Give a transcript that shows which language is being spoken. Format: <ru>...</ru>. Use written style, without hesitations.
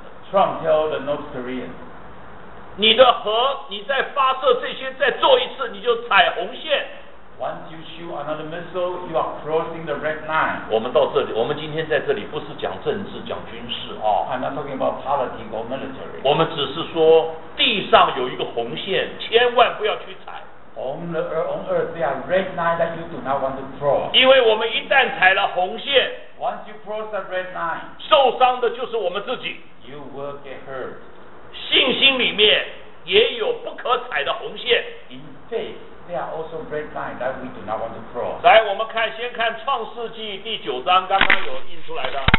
<en>Trump tell the North Korean,</en> <zh>你的核，你再发射这些，再做一次，你就踩红线。</zh> <en>Once you shoot another missile, you are crossing the red line.</en> <zh>我们到这里，我们今天在这里不是讲政治，讲军事啊。</zh> <en>I'm not talking about politics or military.</en> <zh>我们只是说地上有一个红线，千万不要去踩。</zh> <en>On earth, there are red lines that you do not want to cross.</en> <zh>因为我们一旦踩了红线</zh> <en>，Once you cross the red line,</en> <zh>受伤的就是我们自己。</zh> <en>You will get hurt.</en> <zh>信心里面也有不可踩的红线。</zh> <en>In faith. There are also red lines that we do not want to cross.</en> <zh>来，我们看，先看《创世纪》第九章，刚刚有印出来的。</zh>